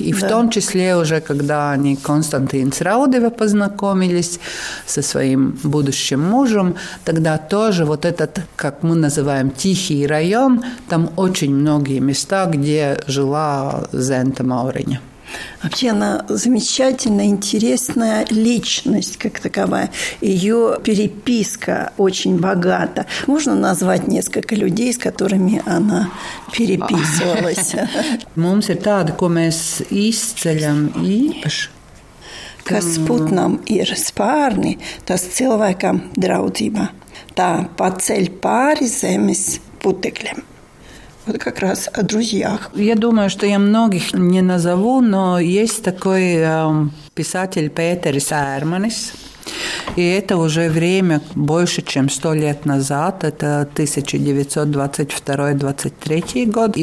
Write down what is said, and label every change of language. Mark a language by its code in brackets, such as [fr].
[ru] И в том числе уже, когда они Константин Сраудова познакомились со своим будущим мужем, тогда тоже вот этот, как мы называем, тихий район, там очень многие места, где жила Зента Мауриньи. Вообще она замечательная, интересная личность как таковая. Ее переписка очень богата. Можно назвать несколько людей, с которыми она переписывалась? [lv] Мумс ir tāda, ko mēs izceļam īpaši. Kas putnam ir spārni, tas cilvēkam draudzība. Tā paceļ pāri zemes putekļiem. [ru] Вот как раз о друзьях. Я думаю, что я многих не назову, но есть такой писатель Петерис Эрманис. И это уже время больше, чем 100 лет назад. Это 1922-23 год.